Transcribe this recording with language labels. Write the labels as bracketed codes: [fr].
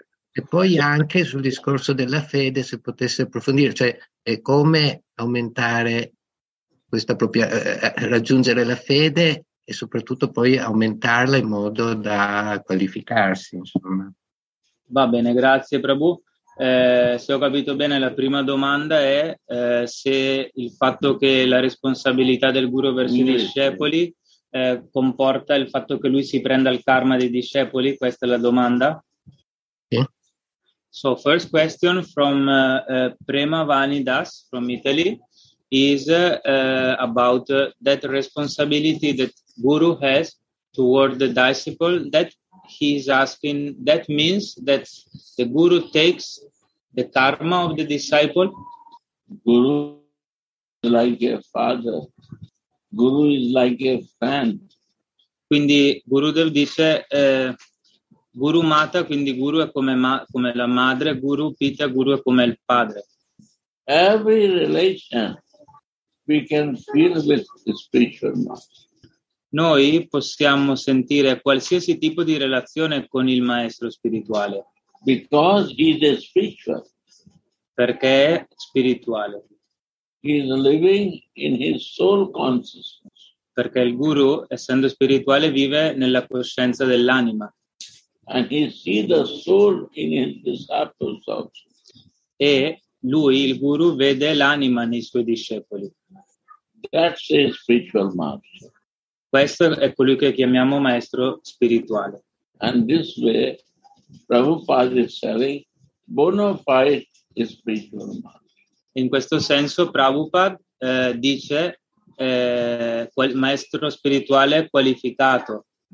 [it] e poi anche sul discorso della fede, se potesse approfondire, cioè è come aumentare questa propria raggiungere la fede e soprattutto poi aumentarla in modo da qualificarsi, insomma. Va bene, grazie Prabhu. Se ho capito bene, la prima domanda è se il fatto che la responsabilità del guru verso i discepoli comporta il fatto che lui si prenda il karma dei discepoli? Questa è la domanda. Sì. [en] So, first question from Prema Vani Das from Italy is about that responsibility that Guru has toward the disciple, that he is asking, that means that the Guru takes the karma of the disciple? Guru is like a father. Guru is like a friend. [it] Quindi Gurudev dice Guru Mata, quindi Guru è come la madre, Guru Pita, Guru è come il padre. [en] Every relation we can feel with the spiritual master. [it] Noi possiamo sentire qualsiasi tipo di relazione con il maestro spirituale. [en] Because he is spiritual. [it] Perché è spirituale. [en] He is living in his soul consciousness. [it] Perché il guru, essendo spirituale, vive nella coscienza dell'anima. [en] And he sees the soul in his disciples also. [it] E lui, il guru, vede l'anima nei suoi discepoli. [en] That's his spiritual master. [it] Questo è colui che chiamiamo maestro spirituale. [en] And this way, Prabhupada is saying, bona fide spiritual master. [it] In questo senso, Prabhupada dice quel maestro spirituale qualificato.